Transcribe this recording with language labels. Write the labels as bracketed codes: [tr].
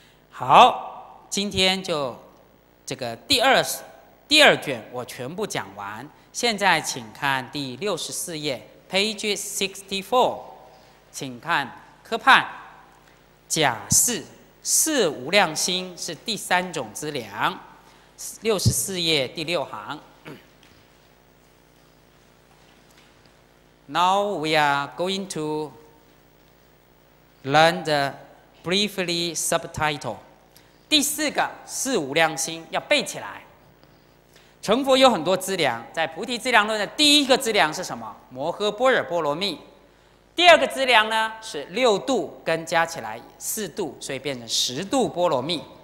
[zh] 好，今天就这个第二卷我全部讲完，现在请看第64页 [en] page 64， [zh] 请看科判假四，四无量心是第三种资粮，64页第六行。 [en] Now we are going to learn the briefly subtitle。 [zh] 第四个四无量心要背起来。成佛有很多资粮，在菩提资粮论的第一个资粮是什么？摩诃般若波罗蜜。第二个资粮呢是六度跟加起来四度，所以变成十度波罗蜜。